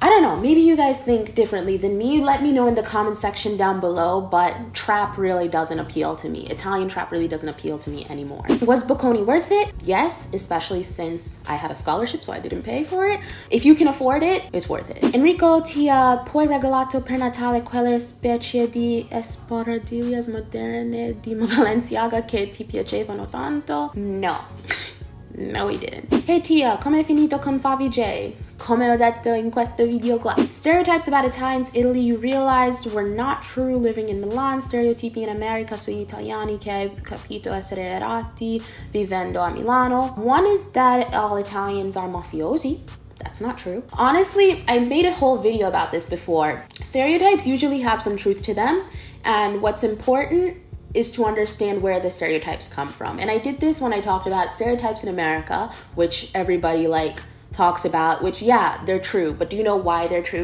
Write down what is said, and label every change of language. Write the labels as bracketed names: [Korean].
[English] I don't know, maybe you guys think differently than me. Let me know in the comment section down below, but trap really doesn't appeal to me. Italian trap really doesn't appeal to me anymore. Was Bocconi worth it? Yes, especially since I had a scholarship, so I didn't pay for it. If you can afford it, it's worth it. [Italian] Enrico, ti ha poi regalato per Natale quelle specie di sparadiglie moderne di Balenciaga che ti piacevano tanto? [English] No. No, he didn't. [Italian] Hey Tia, come è finito con Favi J? Come ho detto in questo video qua. [English] Stereotypes about Italians, Italy, you realized were not true living in Milan. [Italian] Stereotipi in America sugli italiani che hai capito essere errati vivendo a Milano. [English] One is that all Italians are mafiosi. That's not true. Honestly, I made a whole video about this before. Stereotypes usually have some truth to them. And what's important is to understand where the stereotypes come from. And I did this when I talked about stereotypes in America, which everybody like talks about, which yeah, they're true, but do you know why they're true?